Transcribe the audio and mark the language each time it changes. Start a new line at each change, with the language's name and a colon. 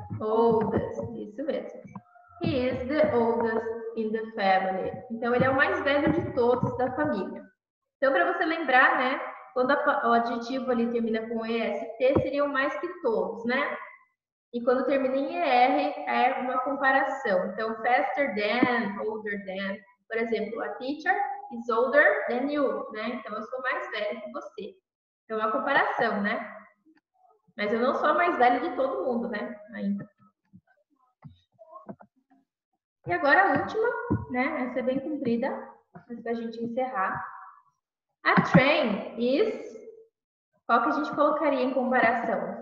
English: Oldest,
Portuguese: isso mesmo.
English: He is the oldest in the family.
Portuguese: Então, ele é o mais velho de todos da família. Então, para você lembrar, né? Quando o adjetivo ali termina com EST, seria o mais que todos, né? E quando termina em ER, é uma comparação. Então,
English: faster than, older than.
Portuguese: Por exemplo,
English: a teacher is older than you,
Portuguese: né? Então, eu sou mais velha que você. Então, é uma comparação, né? Mas eu não sou a mais velha de todo mundo, né? Ainda. E agora, a última, né? Essa é bem comprida, mas pra gente encerrar.
English: A train is...
Portuguese: Qual que a gente colocaria em comparação?